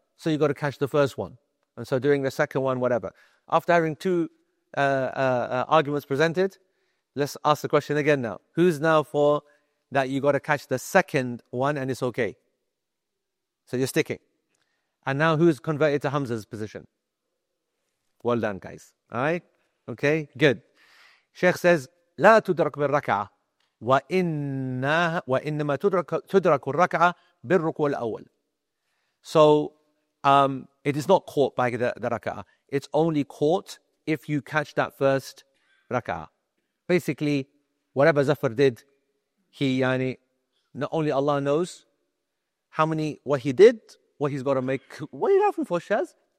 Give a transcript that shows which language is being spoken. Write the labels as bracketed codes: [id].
[en] So you got to catch the first one. And so doing the second one, whatever. After having two arguments presented, let's ask the question again now. Who's now for that you got to catch the second one and it's okay? So you're sticking. And now who's converted to Hamza's position? Well done, guys. All right? Okay, good. Sheikh says, [ar] لا تدرك بالركعة وإنما تدرك الركعة بالركوع الأول. [en] So, it is not caught by the rak'ah. It's only caught if you catch that first rak'ah. Basically, whatever Zafar did, he, yani, not only Allah knows how many, what he did, what he's got to make. What are you laughing for, Shaz?